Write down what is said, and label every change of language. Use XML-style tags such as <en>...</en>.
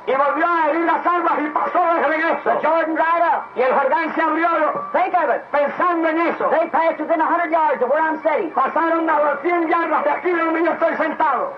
<es>Y volvió a herir las aguas y pasó de regreso.</es> <en>The Jordan dried up.</en> <es>Y el jardín se abrió.</es> <en>Think of it.</en> <es>Pensando en eso.</es> <en>They passed within 100 yards of where I'm sitting.</en> <es>Pasaron a 100 yardas de aquí donde yo estoy sentado.</es>